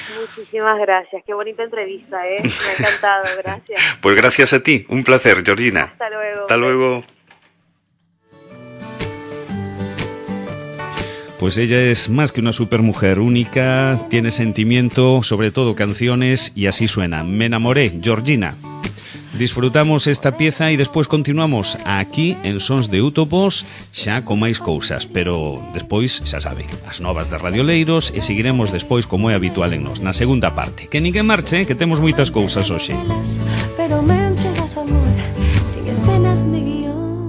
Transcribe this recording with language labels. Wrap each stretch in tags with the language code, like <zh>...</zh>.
<es>Muchísimas gracias, qué bonita entrevista, ¿eh? Me ha encantado, gracias. Pues gracias a ti, un placer, Georgina. Hasta luego. Hasta luego. Pues ella es más que una supermujer, única, tiene sentimiento, sobre todo canciones, y así suena. Me enamoré, Georgina. Disfrutamos esta pieza y después continuamos aquí en Sons de Utopos,</es> <gl>xa con máis cousas, pero despois, xa sabe, as novas de Radio Leiros e seguiremos despois como é habitual en nos, na segunda parte. Que ninguén marche, que temos moitas cousas hoxe.</gl> <es>Pero me entregas amor, sin escenas ni guión.</es>